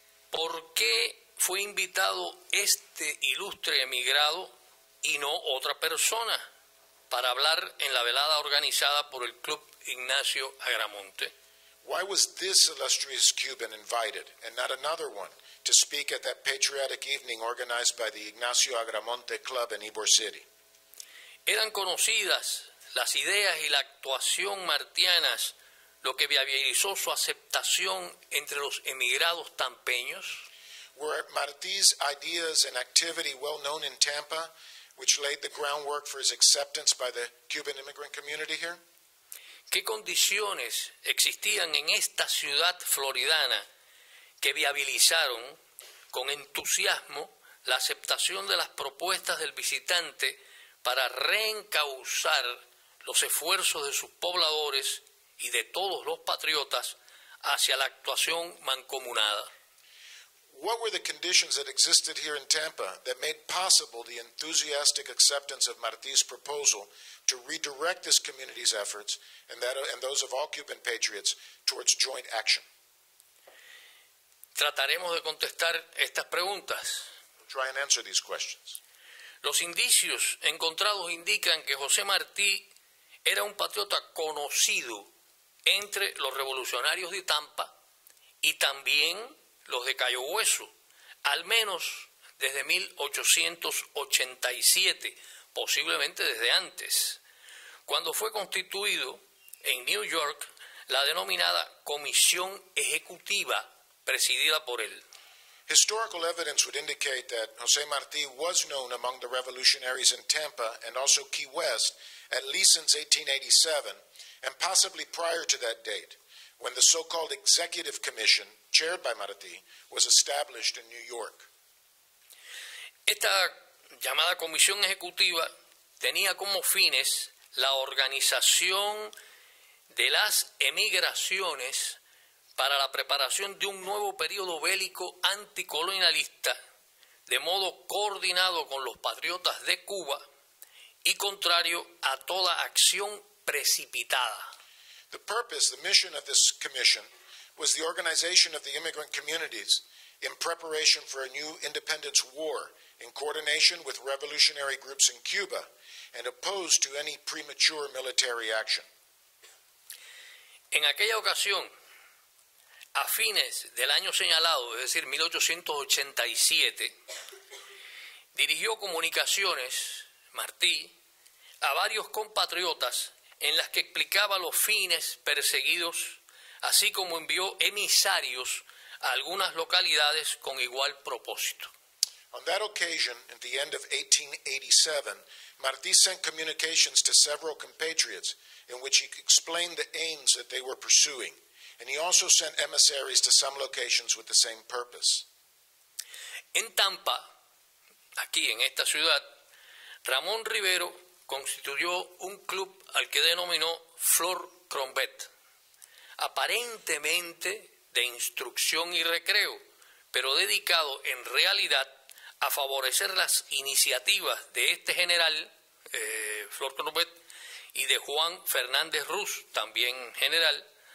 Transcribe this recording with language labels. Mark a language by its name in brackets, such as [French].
[Spanish] ¿Por qué fue invitado este ilustre emigrado y no otra persona para hablar en la velada organizada por el Club Ignacio Agramonte? [English] Why was this illustrious Cuban invited and not another one to speak at that patriotic evening organized by the Ignacio Agramonte Club in Ybor City? [Spanish] Eran conocidas las ideas y la actuación martianas, lo que viabilizó su aceptación entre los emigrados tampeños. [English] Were Martí's ideas and activity well known in Tampa, which laid the groundwork for his acceptance by the Cuban immigrant community here? [Spanish] ¿Qué condiciones existían en esta ciudad floridana que viabilizaron con entusiasmo la aceptación de las propuestas del visitante para reencauzar los esfuerzos de sus pobladores y de todos los patriotas hacia la actuación mancomunada? [English] What were the conditions that existed here in Tampa that made possible the enthusiastic acceptance of Martí's proposal to redirect this community's efforts and those of all Cuban patriots towards joint action? [Spanish] Trataremos de contestar estas preguntas. [English] We'll try and answer these questions. [Spanish] Los indicios encontrados indican que José Martí era un patriota conocido entre los revolucionarios de Tampa y también los de Cayo Hueso, al menos desde 1887, posiblemente desde antes, cuando fue constituido en New York la denominada Comisión Ejecutiva presidida por él. [English] Historical evidence would indicate that José Martí was known among the revolutionaries in Tampa and also Key West at least since 1887, and possibly prior to that date, when the so-called Executive Commission, chaired by Martí, was established in New York. [Spanish] Esta llamada Comisión Ejecutiva tenía como fines la organización de las emigraciones para la preparación de un nuevo periodo bélico anticolonialista, de modo coordinado con los patriotas de Cuba y contrario a toda acción precipitada. [English] The purpose, the mission of this commission was the organization of the immigrant communities in preparation for a new independence war in coordination with revolutionary groups in Cuba and opposed to any premature military action. [Spanish] En aquella ocasión, a fines del año señalado, es decir, 1887, dirigió comunicaciones, Martí, a varios compatriotas en las que explicaba los fines perseguidos, así como envió emisarios a algunas localidades con igual propósito. [English] On that occasion, at the end of 1887, Martí sent communications to several compatriots in which he explained the aims that they were pursuing, and he also sent emissaries to some locations with the same purpose. [Spanish] En Tampa, aquí en esta ciudad, Ramón Rivero constituyó un club al que denominó Flor Crombet, aparentemente de instrucción y recreo, pero dedicado en realidad a favorecer las iniciativas de este general, Flor Crombet, y de Juan Fernández Ruz, también general,